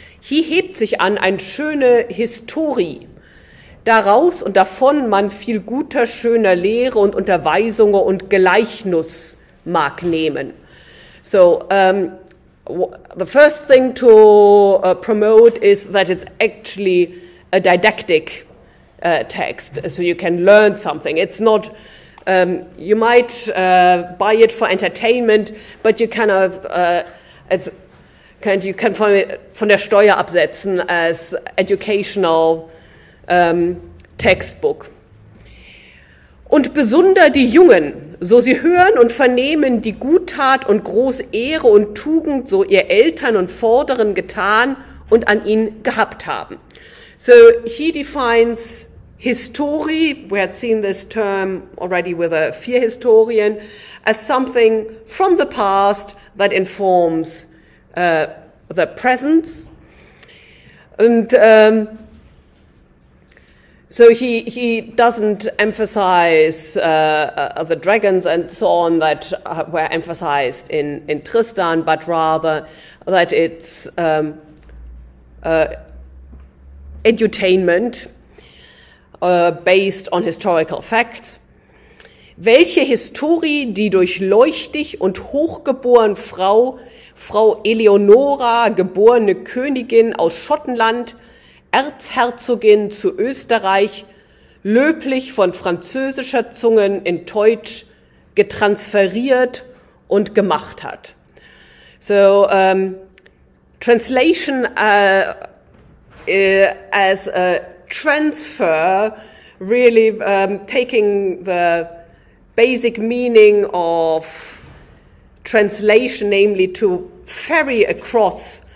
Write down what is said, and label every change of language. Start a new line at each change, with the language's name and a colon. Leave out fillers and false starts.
German: "He hebt sich an ein schöne Historie, daraus und davon man viel guter, schöner Lehre und Unterweisungen und Gleichnis mag nehmen."
English: So, the first thing to promote is that it's actually a didactic text, so you can learn something. It's not, you might buy it for entertainment, but you cannot, you can find it
German: von der Steuer absetzen
English: as educational textbook.
German: "Und besonder die Jungen, so sie hören und vernehmen die Guttat und große Ehre und Tugend, so ihr Eltern und Vorderen getan und an ihn gehabt haben."
English: So he defines history, we had seen this term already with a vier historian, as something from the past that informs the presence. And so he doesn't emphasize the dragons and so on that were emphasized in Tristan, but rather that it's edutainment based on historical facts.
German: "Welche Historie die durchleuchtig und hochgeboren Frau, Frau Eleonora, geborene Königin aus Schottenland, Erzherzogin zu Österreich, löblich von französischer Zungen in Deutsch getransferiert und gemacht hat."
English: So, translation as a transfer, really taking the basic meaning of translation, namely to ferry across.